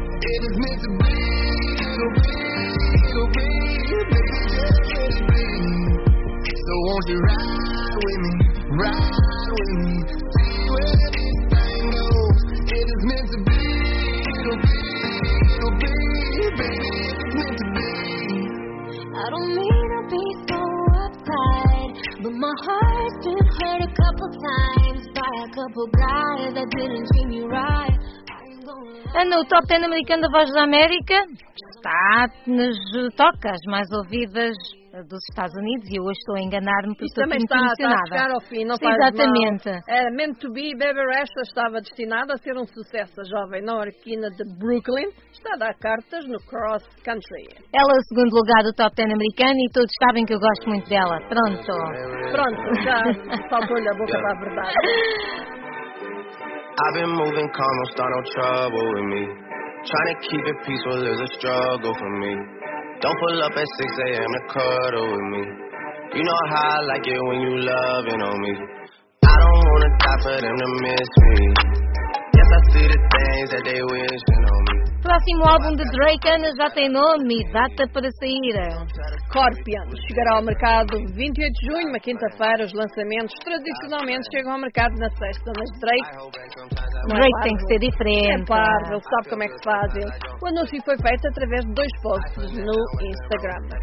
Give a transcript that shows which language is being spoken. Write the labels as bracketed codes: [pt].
[en] I don't mean to be so uptight, but my heart's been hurt a couple times by a couple guys that didn't see me right. [pt] And no Top 10 americano da Voz da América está nas tocas mais ouvidas dos Estados Unidos, e eu hoje estou a enganar-me porque estou muito emocionada. Está a chegar ao fim, não faz mal. Exatamente. Era meant to be, Baby Rasta estava destinada a ser um sucesso. A jovem norquina de Brooklyn está a dar cartas no cross country. Ela é o segundo lugar do Top 10 americano e todos sabem que eu gosto muito dela. Pronto. Pronto, já faltou-lhe a boca para a verdade. [en] I've been moving calm, don't start no trouble with me. Trying to keep it peaceful is a struggle for me. Don't pull up at 6 a.m. to cuddle with me. You know how I like it when you loving on me. I don't wanna die for them to miss me. Yes, I see the things that they wishing on me. [pt] Próximo álbum de Drake, Ana, já tem nome e data para sair. Scorpion chegará ao mercado 28 de junho, uma quinta-feira. Os lançamentos tradicionalmente chegam ao mercado na sexta, mas Drake... Drake tem que ser diferente. É parvo, ele sabe como é que fazem. O anúncio foi feito através de dois posts no Instagram.